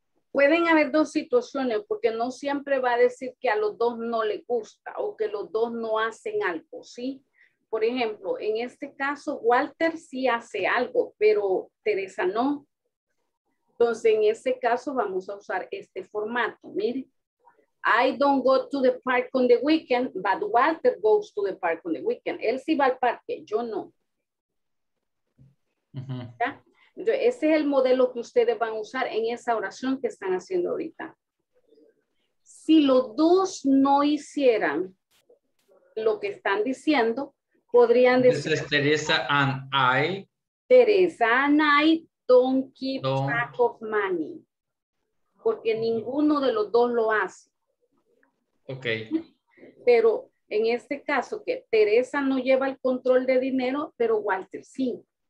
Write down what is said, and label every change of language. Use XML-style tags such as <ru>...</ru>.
<es>Pueden haber dos situaciones, porque no siempre va a decir que a los dos no le gusta o que los dos no hacen algo, ¿sí? Por ejemplo, en este caso, Walter sí hace algo, pero Teresa no. Entonces, en este caso, vamos a usar este formato, mire.</es> <en>I don't go to the park on the weekend, but Walter goes to the park on the weekend.</en> <es>Él sí va al parque, yo no. Uh-huh. ¿Ya? Entonces, ese es el modelo que ustedes van a usar en esa oración que están haciendo ahorita. Si los dos no hicieran lo que están diciendo, podrían decir.</es> <en>This is Teresa and I. Teresa and I don't keep track of money.</en> <es>Porque ninguno de los dos lo hace. Ok. Pero en este caso, que Teresa no lleva el control de dinero, pero Walter sí.</es>